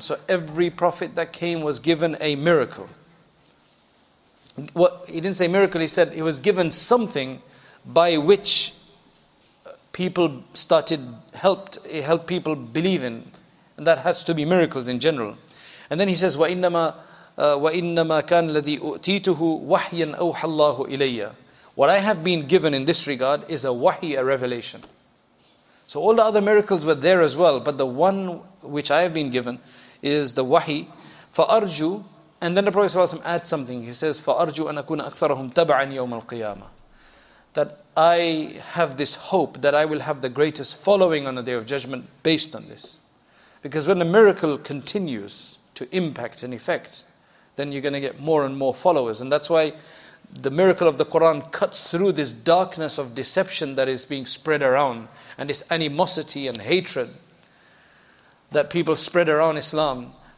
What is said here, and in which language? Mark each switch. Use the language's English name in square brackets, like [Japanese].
[English] So every prophet that came was given a miracle. What, he didn't say miracle. He said he was given something by which people started helped people believe in. And that has to be miracles in general. And then he says, [Arabic] وَإِنَّمَا كَانَ الَّذِي أُؤْتِيتُهُ وَحْيًا أَوْحَى اللَّهُ إِلَيَّ. [English] What I have been given in this regard is a wahi, a revelation. So all the other miracles were there as well, but the one which I have been given is the wahi. [Arabic] فَأَرْجُ. [English] And then the Prophet ﷺ adds something. He says, [Arabic] فَأَرْجُ أَنْ أَكُونَ أَكْثَرَهُمْ تَبَعًا يَوْمَ الْقِيَامَةِ. [English] That I have this hope that I will have the greatest following on the Day of Judgment based on this. Because when a miracle continues to impact and effect, then you're going to get more and more followers. And that's why the miracle of the Quran cuts through this darkness of deception that is being spread around, and this animosity and hatred that people spread around Islam.